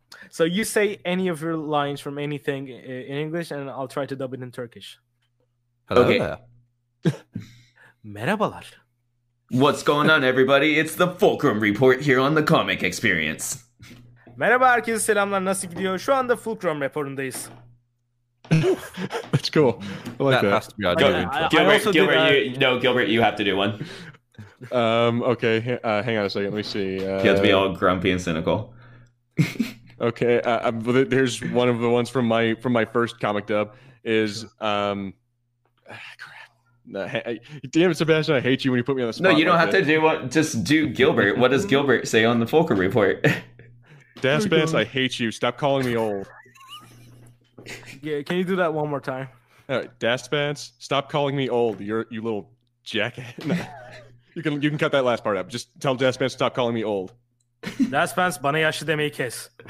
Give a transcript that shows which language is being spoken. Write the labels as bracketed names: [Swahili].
[English] So you say any of your lines from anything in English, and I'll try to dub it in Turkish. Hello. Okay. [Turkish] Merhabalar. [English] What's going on, everybody? It's the Fulcrum Report here on the Comic Experience. [Turkish] Merhaba herkese, selamlar, nasıl gidiyor? Şu anda Fulcrum Report'undayız. [English] That's cool. That has to be our new intro. Gilbert, you have to do one. Okay. Hang on a second. Let me see. You have to be all grumpy and cynical. Okay. There's one of the ones from my first comic dub is. Crap. Damn it, Sebastian! I hate you when you put me on the spot. No, you don't have to do what. Just do Gilbert. What does Gilbert say on the Fulcrum Report? Daspens, I hate you. Stop calling me old. Yeah, can you do that one more time? All right, Daspans, stop calling me old. You little jacket. you can cut that last part out. Just tell Daspans to stop calling me old. [Turkish] Daspans, bana yaşlı demeyi kes.